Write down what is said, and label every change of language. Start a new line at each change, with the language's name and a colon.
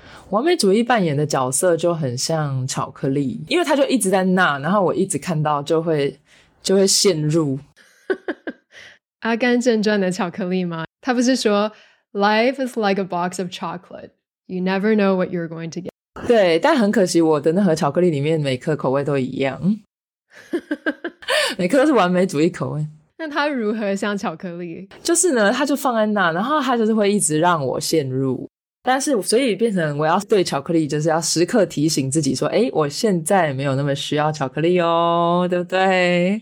Chinese: 完美主义扮演的角色就很像巧克力，因为它就一直在那，然后我一直看到就会陷入阿甘正传的巧克力吗？他不是说
English: Life is like a box of chocolate, you never know what you're going to get。
Chinese: 对，但很可惜我的那盒巧克力里面每颗口味都一样每颗都是完美主义口味。那它如何像巧克力？就是呢，它就放在那，然后它就是会一直让我陷入，但是所以变成我要对巧克力就是要时刻提醒自己说，诶，我现在没有那么需要巧克力哦，对不对？